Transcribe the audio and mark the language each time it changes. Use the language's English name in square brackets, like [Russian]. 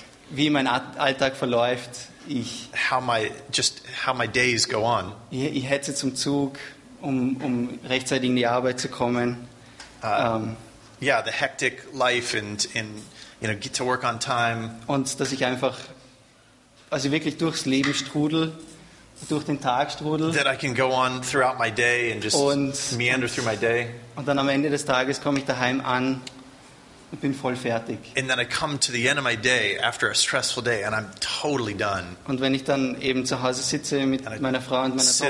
[German] wie mein Alltag verläuft, ich. [English] How my days go on. [German] Ich hetze zum Zug, um rechtzeitig in die Arbeit zu kommen. [English] Yeah, the hectic life and you know, get to work on time. [German] Und dass ich einfach, also wirklich durchs Leben strudel, durch den Tag strudel. [English] That I can go on throughout my day and just meander through my day. [German] Und dann am Ende des Tages komme ich daheim an und bin voll fertig. [English] And then I come to the end of my day after a stressful day and I'm totally done. [German] Und wenn ich dann eben zu Hause sitze mit meiner Frau und meiner Tochter.